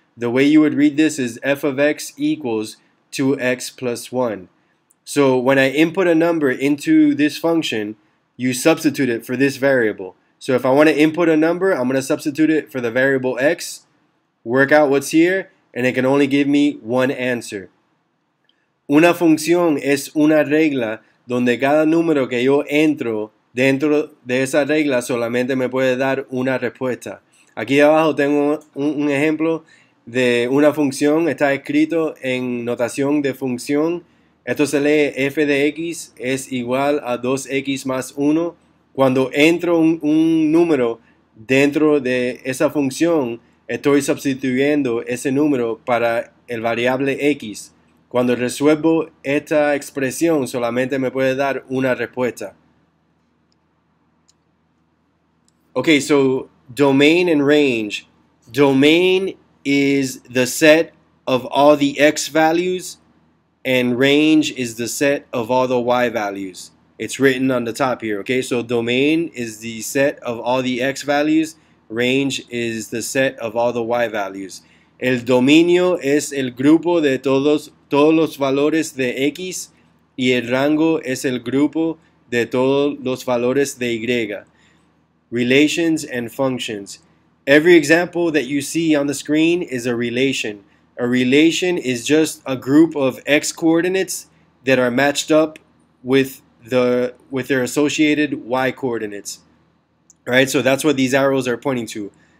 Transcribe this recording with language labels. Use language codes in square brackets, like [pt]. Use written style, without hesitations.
[en] The way you would read this is f of x equals 2x plus 1. So when I input a number into this function, you substitute it for this variable. So if I want to input a number, I'm going to substitute it for the variable x, work out what's here, and it can only give me one answer. [es] Una función es una regla donde cada número que yo entro dentro de esa regla solamente me puede dar una respuesta. Aquí abajo tengo un ejemplo de una función. Está escrito en notación de función. Esto se lee f de x es igual a 2x más 1. Cuando entro un número dentro de esa función, estoy sustituyendo ese número para el variable x. Cuando resuelvo esta expresión, solamente me puede dar una respuesta. [en] Okay, so domain and range. Domain is the set of all the x values, and range is the set of all the y values. It's written on the top here, okay? So domain is the set of all the x values. Range is the set of all the y values. [es] El dominio es el grupo de todos los valores de x, y el rango es el grupo de todos los valores de y. [en] Relations and functions. Every example that you see on the screen is a relation. A relation is just a group of x coordinates that are matched up with their associated y coordinates. Right, so that's what these arrows are pointing to.